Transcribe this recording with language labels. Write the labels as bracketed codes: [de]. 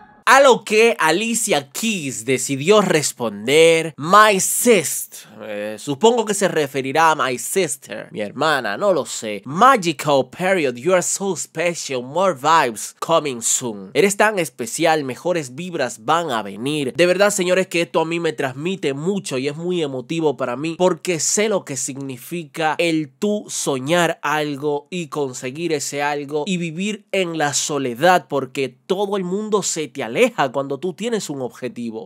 [es] A lo que Alicia Keys decidió responder: [en] My sister. [es] Supongo que se referirá a [en] my sister, [es] mi hermana, no lo sé. [en] Magical period, you are so special, more vibes coming soon. [es] Eres tan especial, mejores vibras van a venir. De verdad, señores, que esto a mí me transmite mucho y es muy emotivo para mí, porque sé lo que significa el tú soñar algo y conseguir ese algo y vivir en la soledad, porque todo el mundo se te aleja cuando tú tienes un objetivo.